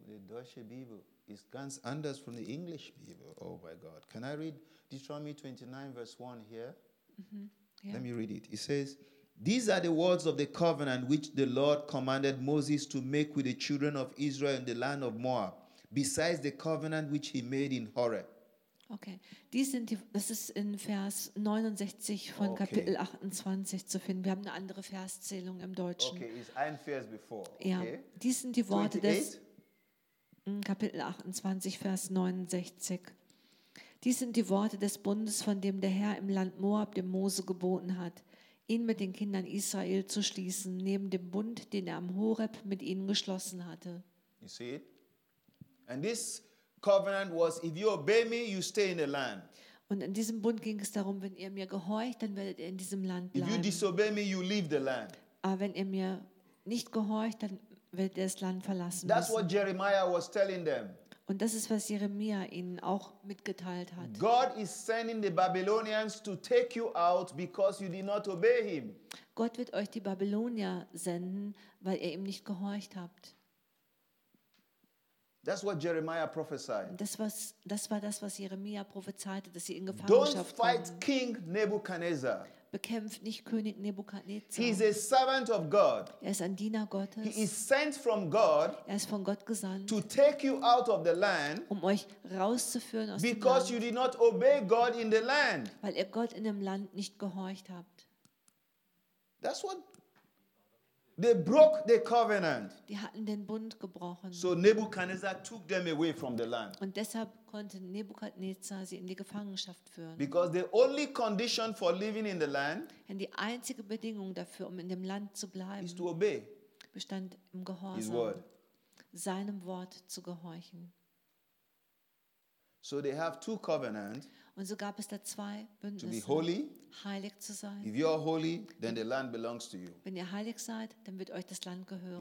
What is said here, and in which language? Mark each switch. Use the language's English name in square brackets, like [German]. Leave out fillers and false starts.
[German] Die deutsche Bibel ist ganz anders von der englischen Bibel. [English] Oh my God. Can I read Deuteronomy 29, verse 1 here? Yeah. Let me read it. It says, these are the words of the covenant which the Lord commanded Moses to make with the children of Israel in the land of Moab, besides the covenant which he made in Horeb. [German] Okay, das ist in Vers 69 von Kapitel 28 zu finden. Wir haben eine andere Verszählung im Deutschen. Okay, ist ein Vers bevor. Okay. Ja, dies sind die Worte 28? Des Kapitel 28, Vers 69. Dies sind die Worte des Bundes, von dem der Herr im Land Moab dem Mose geboten hat, ihn mit den Kindern Israel zu schließen, neben dem Bund, den er am Horeb mit ihnen geschlossen hatte. [English] You see it? And this covenant was, if you obey me, you stay in the land. [German] Und in diesem Bund ging es darum, wenn ihr mir gehorcht, dann werdet ihr in diesem Land bleiben. [English] If you disobey me, you leave the land. [German] Aber wenn ihr mir nicht gehorcht, dann werdet ihr das Land verlassen. [English] That's what Jeremiah was telling them. [German] Und das ist, was Jeremia ihnen auch mitgeteilt hat. [English] God is sending the Babylonians to take you out because you did not obey him. [German] Gott wird euch die Babylonier senden, weil ihr ihm nicht gehorcht habt. [English] That's what Jeremiah prophesied. [German] Das war das, was Jeremia prophezeite, dass sie in Gefangenschaft kommen. [English] Don't fight King Nebuchadnezzar. [German] Bekämpft nicht König Nebukadnezar. [English] He is a servant of God. [German] Er ist ein Diener Gottes. [English] He is sent from God. [German] Er ist von Gott gesandt. [English] To take you out of the land. [German] Um euch rauszuführen aus dem Land. [English] Because you did not obey God in the land. [German] Weil ihr Gott in dem Land nicht gehorcht habt. [English] That's what they broke the covenant. [German] Die hatten den Bund gebrochen. [English] So Nebuchadnezzar took them away from the land. [German] Und deshalb konnte Nebukadnezar sie in die Gefangenschaft führen. [English] Because the only condition for living in the land, [German] denn die einzige Bedingung dafür, um in dem Land zu bleiben, [English] is to obey, [German] bestand im Gehorsam, [English] his word, [German] seinem Wort zu gehorchen. [English] So they have two covenants. [German] Und so gab es da zwei Bündnisse. [English] To be holy, [German] heilig zu sein. [English] If you are holy, then the land belongs to you. [German] Wenn ihr heilig seid, dann wird euch das Land gehören.